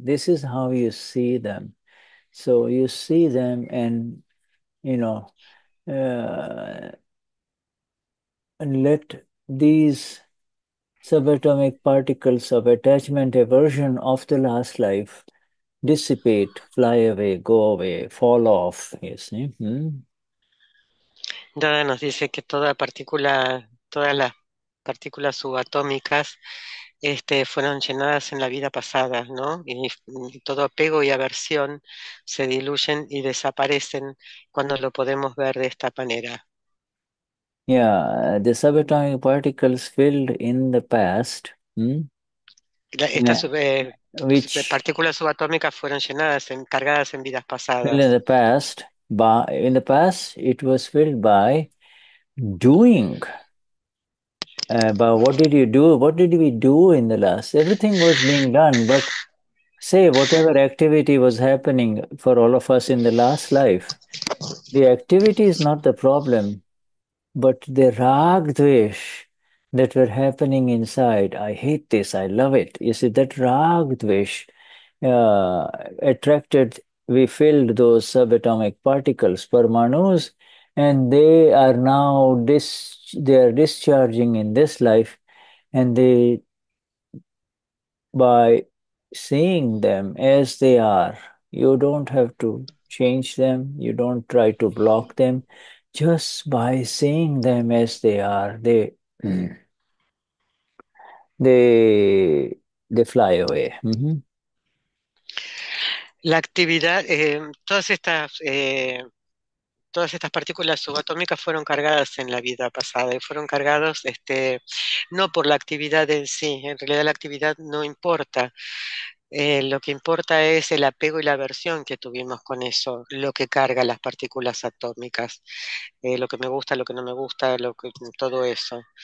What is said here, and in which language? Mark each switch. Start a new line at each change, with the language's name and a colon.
English: This is how you see them. So you see them and, and let these subatomic particles of attachment aversion of the last life dissipate, fly away, go away, fall off, you see.
Spanish: Dada nos dice que toda partícula, todas las partículas subatómicas, fueron llenadas en la vida pasada, ¿no? Y todo apego y aversión se diluyen y desaparecen cuando lo podemos ver de esta manera.
English: Yeah, the subatomic particles filled in the past,
Spanish: Estas partículas subatómicas fueron llenadas, cargadas en vidas
English: filled in
Spanish: pasadas.
English: the past, by in the past it was filled by doing. But what did you do? What did we do in the last? Everything was being done, but say whatever activity was happening for all of us in the last life, the activity is not the problem. But the rag dvesh that were happening inside, I hate this, I love it. You see, that rag dvesh attracted, we filled those subatomic particles, parmanus, and they are now they are discharging in this life, and they, by seeing them as they are, you don't have to change them, you don't try to block them. Just by seeing them as they are, they fly away.
Spanish: La actividad, todas estas partículas subatómicas fueron cargadas en la vida pasada y fueron cargadas, no por la actividad en sí, en realidad la actividad no importa, Lo que importa es el apego y la aversión que tuvimos con eso, lo que carga las partículas atómicas, lo que me gusta, lo que no me gusta, lo que, todo eso.